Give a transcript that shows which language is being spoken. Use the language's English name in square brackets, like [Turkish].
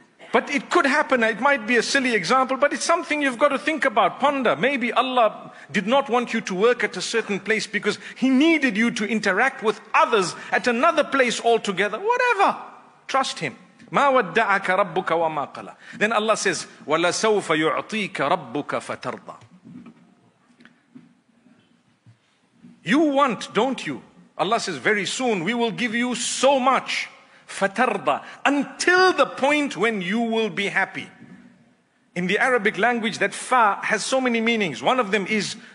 [English] But it could happen. It might be a silly example, but it's something you've got to think about, ponder. Maybe Allah did not want you to work at a certain place because He needed you to interact with others at another place altogether. Whatever. Trust Him. [Arabic] مَا وَدَّعَكَ رَبُّكَ وَمَا قَلَى. [English] Then Allah says, [Arabic] وَلَسَوْفَ يُعْطِيكَ رَبُّكَ فَتَرْضَى. [English] You want, don't you? Allah says, very soon we will give you so much. Fatarda, until the point when you will be happy. In the Arabic language, that fa has so many meanings. One of them is